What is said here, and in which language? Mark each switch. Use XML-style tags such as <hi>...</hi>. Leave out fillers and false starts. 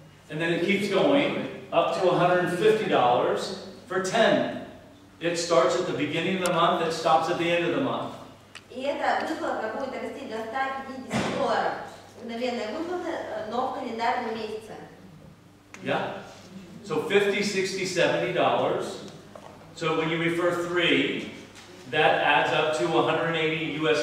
<en>And then it keeps going up to $150 for 10. It starts at the beginning of the month, it stops at the end of the month.</en> <ru>И эта выплата будет расти до $150, мгновенная выплата, но в календарном месяце.</ru> <en>Yeah. So $50, $60, $70. So when you refer three, that adds up to $180.</en>